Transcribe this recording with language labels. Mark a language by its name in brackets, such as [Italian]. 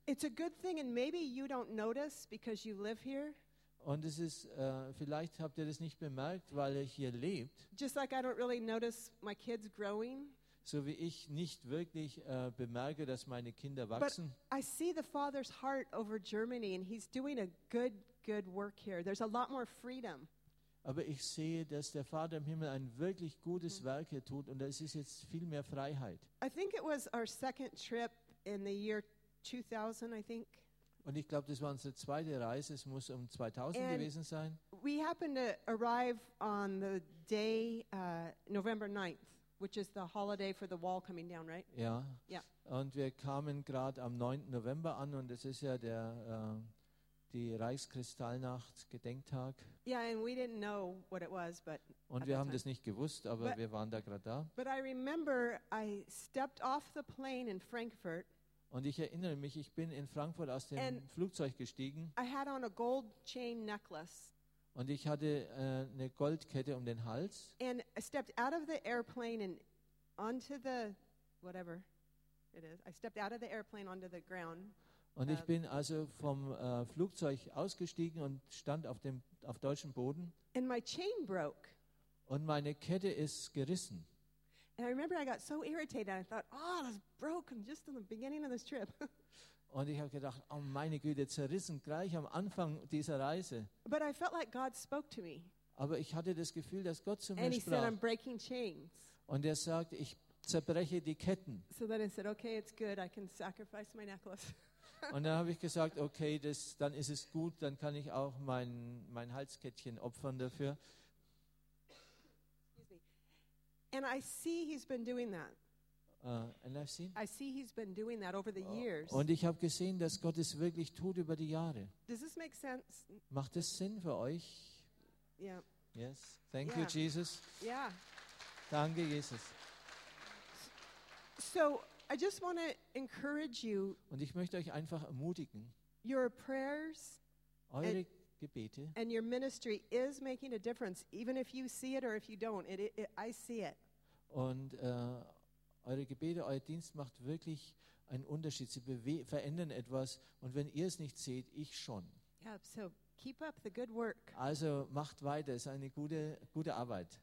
[English] It's a good thing and maybe you don't notice because you live here. [German] Und es ist, vielleicht habt ihr das nicht bemerkt, weil ihr hier lebt. [English] Just like I don't really notice my kids growing. [German] So wie ich nicht wirklich bemerke, dass meine Kinder wachsen. [English] But I see the father's heart over Germany and he's doing a good work here. There's a lot more freedom. [German] Aber ich sehe, dass der Vater im Himmel ein wirklich gutes Werk hier tut und es ist jetzt viel mehr Freiheit. [English] I think it was our second trip in the year 2000, I think. [German] Und ich glaube, das war unsere zweite Reise. Es muss um 2000 [English] and [German] gewesen sein. [English] We happened to arrive on the day November 9th, which is the holiday for the wall coming down, right? [German] Ja. [English] Yeah. [German] Und wir kamen gerade am 9. November an und es ist ja der die Reichskristallnacht Gedenktag. [English] Yeah, and we didn't know what it was, but [German] und wir haben das nicht gewusst, aber wir waren da gerade da. [English] But I remember I stepped off the plane in Frankfurt. [German] Und ich erinnere mich, ich bin in Frankfurt aus dem [English] and [German] Flugzeug gestiegen. [English] I had on a gold chain necklace. [German] Und ich hatte eine Goldkette um den Hals. [English] And I stepped out of the airplane and onto the whatever it is. I stepped out of the airplane onto the ground. [German] Und ich bin also vom Flugzeug ausgestiegen und stand auf dem auf deutschem Boden. [English] And my chain broke. [German] Und meine Kette ist gerissen. [English] And I remember I got so irritated. I thought, oh, that's broken just in the beginning of this trip. [German] Und ich habe gedacht, oh meine Güte, zerrissen gleich am Anfang dieser Reise. [English] But I felt like God spoke to me. [German] Aber ich hatte das Gefühl, dass Gott zu [English] and [German] mir [English] he [German] sprach. [English] Said, I'm breaking chains. [German] Und er sagt, ich zerbreche die Ketten. [English] So then I said, okay, it's good. I can sacrifice my necklace. [German] Und dann habe ich gesagt, okay, das, dann ist es gut, dann kann ich auch mein Halskettchen opfern dafür. [English] Excuse me. And I see he's been doing that. And I've seen. I see he's been doing that over the years. [German] Und ich habe gesehen, dass Gott es wirklich tut über die Jahre. [English] Does this make sense? [German] Macht das Sinn für euch? [English] Yeah. Yes. Thank you, Jesus. Yeah. [German] Danke, Jesus. [English] So I just want to encourage you. [German] Und ich möchte euch einfach ermutigen. [English] Your prayers. [German] Eure Gebete. [English] And your ministry is making a difference, even if you see it or if you don't. It I see it. [German] Und eure Gebete, euer Dienst macht wirklich einen Unterschied. Sie verändern etwas. Und wenn ihr es nicht seht, ich schon. [English] Yep, so keep up the good work. [German] Also macht weiter. Es ist eine gute Arbeit.